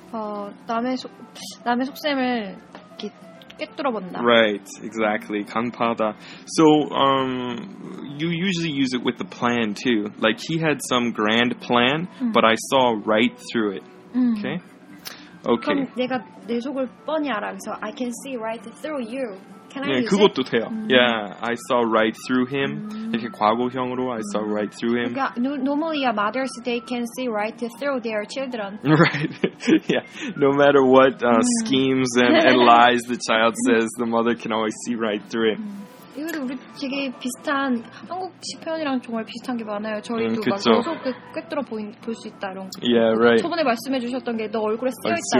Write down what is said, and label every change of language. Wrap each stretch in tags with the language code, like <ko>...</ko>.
<ko>남의 속셈을 깨뚫어본다. Right, exactly. 강파다.</ko> <en>So, you usually use it with the plan too. Like, he had some grand plan, but I saw right through it. Okay? Okay.</en> <ko>그럼 내가 내 속을 뻔히 알아.</ko> <en>So, I can see right through you. Can I</en> <ko>네, 그것도 돼요.</ko> <en>Yeah, I saw right through him.</en> <ko>이렇게 과거형으로</ko> <en>I saw right through him. 그러니까, normally, mothers, they can see right through their children. Right. yeah. No matter what schemes and lies the child says, the mother can always see right through it.</en> <ko>이거 우리 되게 비슷한 한국식 표현이랑 정말 비슷한 게 많아요. 저희도 막 계속 꿰뚫어 볼 수 있다 이런 거.</ko> <en>Yeah, right.</en> <ko>저번에 말씀해 주셨던 게 너 얼굴에 쓰여 있다.</ko>